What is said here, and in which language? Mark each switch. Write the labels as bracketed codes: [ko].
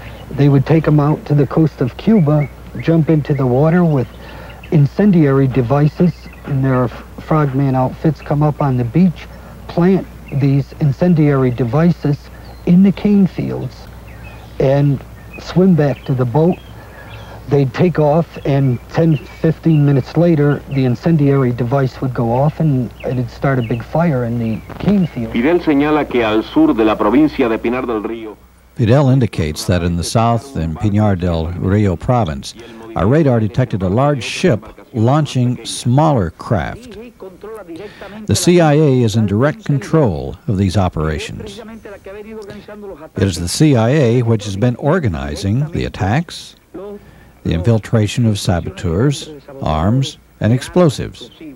[en] They would take them out to the coast of Cuba, jump into the water with incendiary devices, and their frogman outfits come up on the beach, plant these incendiary devices in the cane fields, and swim back to the boat. They'd take off, and 10, 15 minutes later, the incendiary device would go off, and it'd start a big fire in the cane field. [es] Fidel señala que al sur de la provincia de Pinar del Río, [en] Fidel indicates that in the south, in Pinar del Rio province, a radar detected a large ship launching smaller craft. The CIA is in direct control of these operations. It is the CIA which has been organizing the attacks, the infiltration of saboteurs, arms, and explosives.